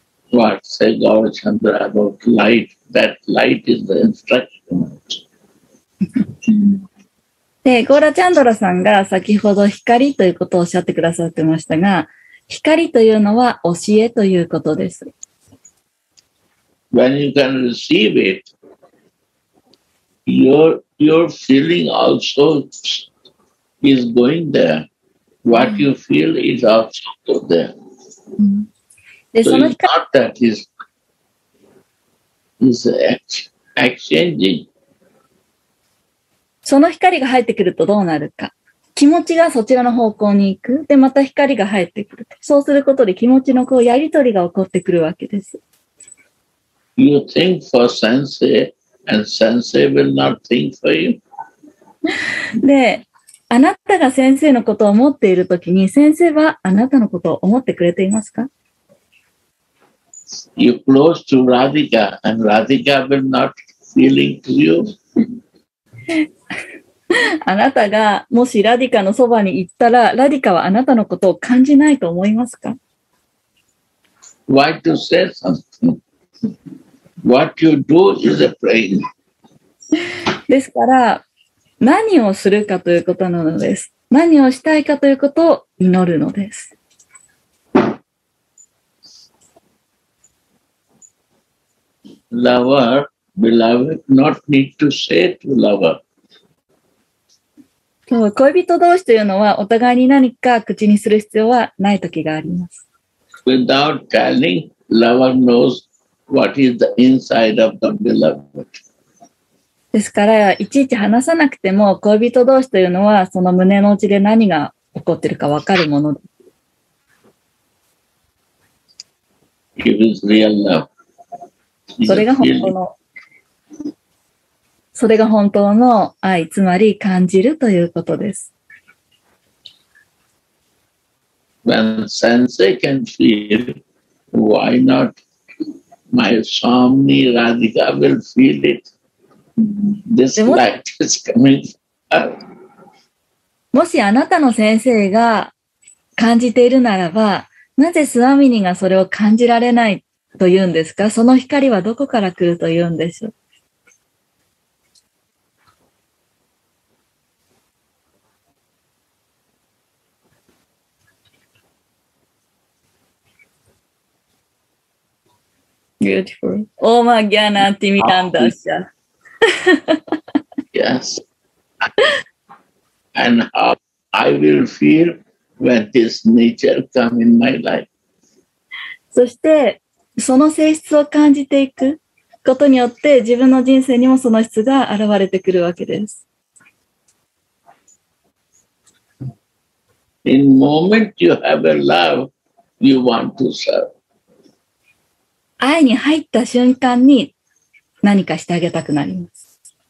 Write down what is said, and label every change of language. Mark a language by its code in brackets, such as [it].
[en] What says Gaura Chandra about light? That light is the instruction. [ja] で、ゴーラチャンドラさんが先ほど光ということをおっしゃってくださってましたが、光というのは教えということです。 [en] When you can receive it, your feeling also is going there. What you feel is also going there. [ja] でその光、 [en] so、it's not that is exchanging. [ja] その光が入ってくるとどうなるか。気持ちがそちらの方向に行く。で、また光が入ってくる。そうすることで気持ちのこうやり取りが起こってくるわけです。 [en] You think for sensei, and sensei will not think for you. [ja] で、あなたが先生のことを思っているときに、先生はあなたのことを思ってくれていますか？ [en] You close to Radhika and Radhika will not feeling to you. [ja] あなたがもしラディカのそばに行ったら、ラディカはあなたのことを感じないと思いますか？ [en] Why to say something? What you do is a praying. [ja] ですから、何をするかということなのです。何をしたいかということを祈るのです。 [en] Lover, beloved, not need to say to lover. [ja] そう、恋人同士というのはお互いに何か口にする必要はない時があります。 [en] Without telling, lover knows what is the inside of the beloved. [ja] ですから、いちいち話さなくても恋人同士というのはその胸の内で何が起こっているか分かるもの。 [en] It is real love. [ja] それが本当の、それが本当の愛、つまり感じるということです。 [en] When sensei can feel, why not my somni Radhika will feel it? This light is coming. [ja] もしあなたの先生が感じているならば、なぜスワミニがそれを感じられないと言うんですか？その光はどこから来ると言うんでしょう？ [en] Beautiful. [sa] オーマギャナティミタンダッシャ。 [en] Yes. And how I will feel when this nature come in my life. [ja] そしてその性質を感じていくことによって自分の人生にもその質が現れてくるわけです。 [en] In moment you have a love, you want to serve. [ja] 愛に入った瞬間に何かしてあげたくなります。